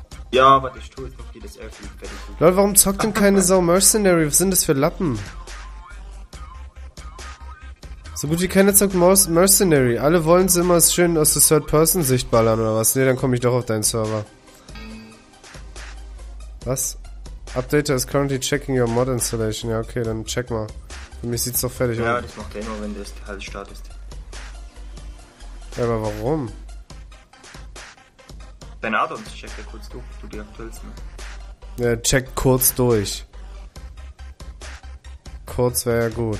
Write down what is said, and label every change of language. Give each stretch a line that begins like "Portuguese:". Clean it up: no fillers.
German: Ja, warte, ich tue jetzt noch jedes Elfen. Leute, warum zockt denn keine Sau Mercenary? Was sind das für Lappen? So gut wie keiner zockt Mercenary. Alle wollen es immer schön aus der Third Person sichtballern oder was? Nee, dann komme ich doch auf deinen Server. Was?
English: Updater is currently checking your mod installation.
German: Ja, okay, dann check mal. Für mich sieht's doch fertig aus. Ja, auf. Das macht er immer, wenn das halt startet. Ja, aber warum? Dein Addons checkt ja kurz durch, ob du die aktuellsten. Ne? Ja, check kurz durch. Kurz wäre ja gut.